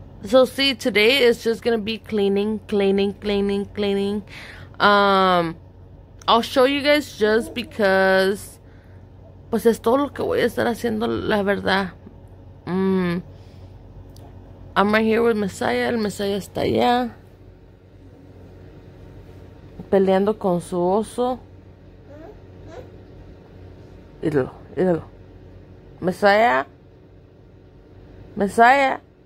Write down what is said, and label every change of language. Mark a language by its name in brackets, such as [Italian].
[English] So see, today is just gonna be cleaning, cleaning, cleaning, cleaning. I'll show you guys just because. [Spanish] Pues es todo lo que voy a estar haciendo, la verdad. [English] I'm right here with Messiah. [Spanish] El Messiah está allá peleando con su oso. Míralo, míralo. Messiah. Messiah.